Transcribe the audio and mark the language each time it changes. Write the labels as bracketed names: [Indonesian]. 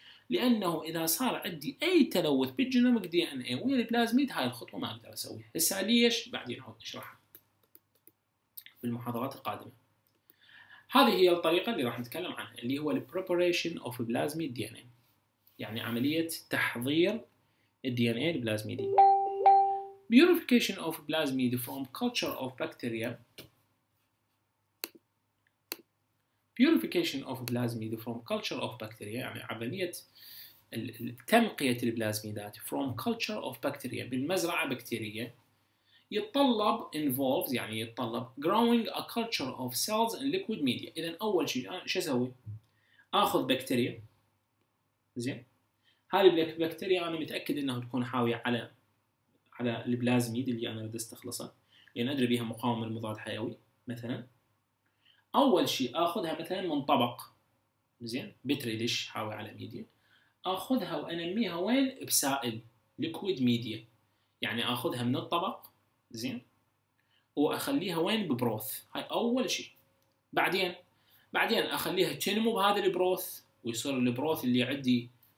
[Arabic] لأنه إذا صار عندي أي تلوث بالجينوميك دي ان اي ويا البلازميد هاي الخطوة ما أقدر أسويها. هسا ليش؟ بعدين أعود أشرحها بالمحاضرات القادمة. هذه هي الطريقة اللي راح نتكلم عنها اللي هو الـ [English] preparation of plasmid DNA. [Arabic] يعني عملية تحضير الDNA البلازميدي. [English] Purification of plasmids from culture of bacteria. Purification of plasmids from culture of bacteria [Arabic] يعني عملية تنقية البلازميدات [English] from culture of bacteria [Arabic] بالمزرعة بكتيرية يتطلب [English] involves [Arabic] يعني يتطلب [English] growing a culture of cells and liquid media. [Arabic] إذا أول شيء شو أسوي؟ آخذ بكتيريا زين؟ هذه البكتيريا أنا متأكد إنها تكون حاوية على البلازميد اللي أنا بدي استخلصه لأن أدري بيها مقاومة للمضاد حيوي مثلا. أول شيء آخذها مثلا من طبق زين؟ بتري ديش حاوي على ميديا آخذها وأنميها وين؟ بسائل [English] liquid media [Arabic] يعني آخذها من الطبق زين واخليها وين ببروث هاي اول شيء بعدين اخليها تنمو بهذا البروث ويصير البروث اللي عندي